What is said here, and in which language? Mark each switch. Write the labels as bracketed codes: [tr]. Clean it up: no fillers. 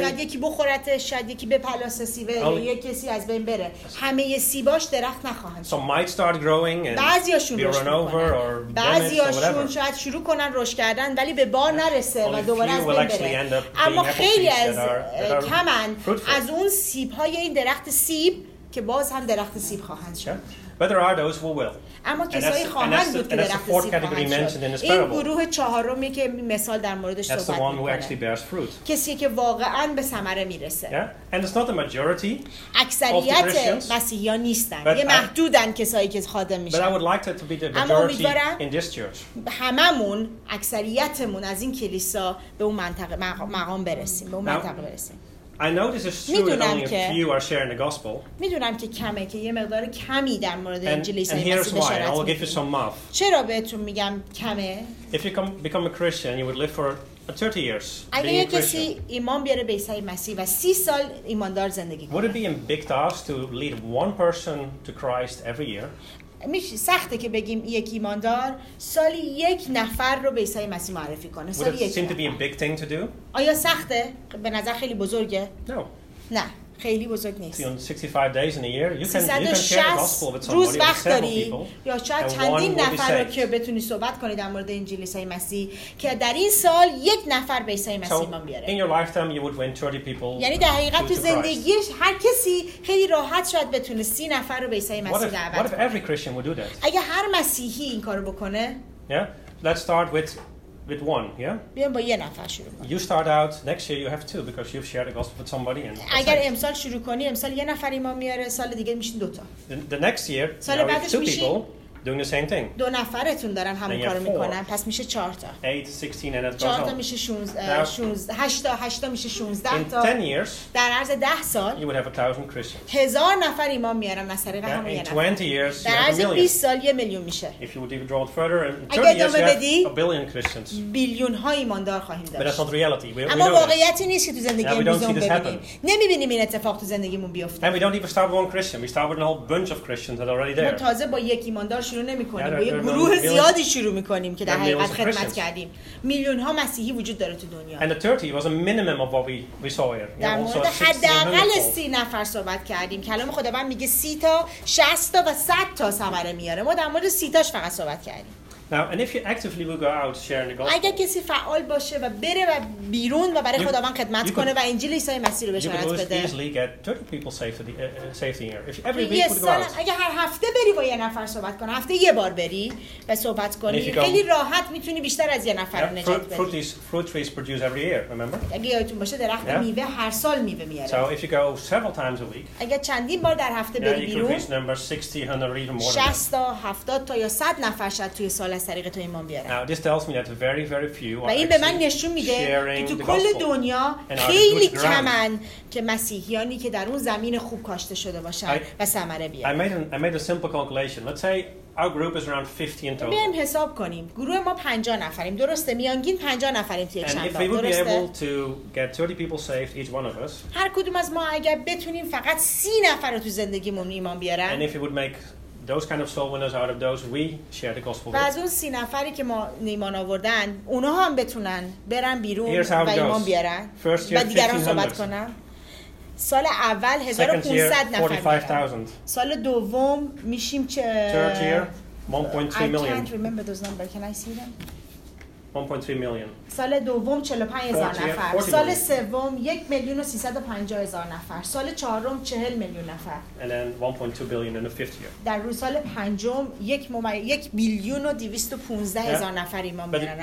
[fa] شاید یکی بخورته، شاید یکی بپلاسه سیبه یا یک کسی از بین بره. همه سیباش درخت نخواهند. [en] Some might start growing and [fa] بعضی هاشون [en] be run over or [fa] بعضی هاشون شاید شروع کنن رشد کردن ولی به بار نرسه و دوباره از بین بره. اما خیلی از کمن از اون سیبهای این درخت سیب که باز هم درخت سیب خواهند شد. [en] But there are those who will. [fa] اما کسایی خواهند بود که درخت سیب خواهند شد. این گروه چهارمی که مثال در موردش صحبت می‌کنه. [en] That's the one who actually bears fruit. [fa] کسی که واقعاً به ثمره میرسه. [en] Yeah. And it's not the majority. [fa] اکثریت مسیحیان نیستن. یه محدودن کسایی که خادم میشن. [en] But I would like to be the majority in this church. [fa] هممون اکثریتمون از این کلیسا به اون منطقه مقام برسیم. به اون منطقه برسیم. [en] I know this is true that only a few are sharing the gospel. [fa] میدونم که کمه که یه مقدار کمی در مورد انجیل عیسی مسیح بشارت میدونم. [en] And here's why. I'll give you some math. [fa] چرا بهتون میگم کمه؟ [en] If you become a Christian, you would live for 30 years being a Christian. [fa] اگه کسی ایمان بیاره به عیسی مسیح و 30 سال ایماندار زندگی کنه. [en] Would it be a big task to lead one person to Christ every year? [fa] میشه سخته که بگیم یک ایماندار سالی یک نفر رو به عیسی مسیح معرفی کنه سالی یک نفر. [en] Would it seem to be a big thing to do? [fa] آیا سخته؟ به نظر خیلی بزرگه؟ [en] No. [fa] نه. خیلی بزرگ نیست. [en] 365 days in a year you can share the gospel with [fa] روز وقت داری یا شاید چندین نفر رو که بتونی صحبت کنی در مورد انجیل عیسی مسیح که در این سال یک نفر به عیسی مسیح ایمان بیاره. [en] In your lifetime you would win 30 people. [fa] یعنی در حقیقت تو زندگی هر کسی خیلی راحت شاید بتونه 30 نفر رو به عیسی مسیح دعوت کنه. [en] What if every Christian would do that? [fa] اگه هر مسیحی این کارو بکنه. [en] Yeah. Let's start with one, yeah? [fa] بیان با یه نفر شروع کن. [en] You start out, next year you have two because you've shared the gospel with somebody. And [fa] اگر امسال شروع کنی امسال یه نفر ایمان میاره، سال دیگه میشین دوتا. [en] The next year [fa] سال [en] now [fa] بعدش [en] two people doing the same thing. [fa] دو نفرتون دارن همون کارو میکنن، پس میشه 4 تا. [en] 8 16 and [fa] 4 تا میشه 16 8 تا 8 تا میشه 16 تا. [en] In 10 years [fa] در عرض 10 سال [en] you would have 1000 Christians. [fa] هزار نفر ایمان میارن از طریق همون یه نفر. [en] 20 years [fa] در عرض 20 سال یه میلیون میشه. [en] If you would even draw it further in 30 years you have a billion Christians. [fa] بیلیون ها ایماندار خواهیم داشت. [en] But that's not reality. [fa] اما واقعیتی نیست که تو زندگیمون بیفته. نمیبینیم این اتفاق تو زندگیمون بیفته. [en] And we don't even start with one Christian. We start with a whole bunch of Christians that are already there. [fa] تازه با یک ایماندار شروع نمی‌کنیم، با یه گروه زیادی شروع می‌کنیم که در حقیقت خدمت کردیم. میلیون‌ها مسیحی وجود داره تو دنیا. [en] And the 30 was a minimum of what we saw here. [fa] در مورد حداقل 30 نفر صحبت کردیم. کلام خداوند میگه 30 تا، 60 تا و 100 تا ثمره میاره. ما در مورد 30 تاش فقط صحبت کردیم. [en] Now, and if you actively will go out sharing the gospel. [fa] اگه کسی فعال باشه و بره و بیرون و برای خداوند خدمت کنه و انجیل عیسی مسیح رو بشارت بده. [en] You could easily get 30 people saved in a year. If every week would go out. [fa] اگه هر هفته بری با یه نفر صحبت کنی، هفته یه بار بری و صحبت کنی، خیلی راحت میتونی بیشتر از یه نفر رو نجات بدی. [en] Fruit trees produce every year, remember? [fa] اگه یادتون باشه درخت میوه هر سال میوه میاره. [en] So if you go several times a week. [fa] اگه چندین بار در هفته بری بیرون. [en] You could reach number 60, 100 or more. [fa] 60 تا 70 تا یا 100 نفر شد توی سال از طریق تو ایمان بیارن. [en] Now this tells me that very very few are. [fa] و این به من نشون میده که تو کل دنیا خیلی کمن که مسیحیانی که در اون زمین خوب کاشته شده باشن و ثمره بیارن. [en] I made a simple calculation. Let's say our group is around 50 in total. [fa] بیایم حساب کنیم. گروه ما 50 نفریم. درسته؟ میانگین 50 نفریم توی چند تا. [en] And if we able to get 30 people saved each one of us. [fa] هر کدوم از ما اگر بتونیم فقط 30 نفر رو تو زندگیمون ایمان بیارن. [en] And if we would make those kind of soul winners out of those we share the gospel with. [fa] باز اون 30 نفری که ما نیمان آوردن، اونها هم بتونن برن بیرون و ایمان بیارن. [en] First year, [fa] و دیگران صحبت کنن. سال اول 1500 نفر. 45,000. سال دوم میشیم چه؟ [en] Third year, 1.3 million. I can't remember those numbers. Can I see them? 1.3 million. [fa] سال دوم 45,000 نفر. سال سوم 1,350,000 نفر. سال چهارم 40 میلیون نفر. [en] And then 1.2 billion in the fifth year. [fa] در روز سال پنجم 1,215,000 نفر ایمان میارن.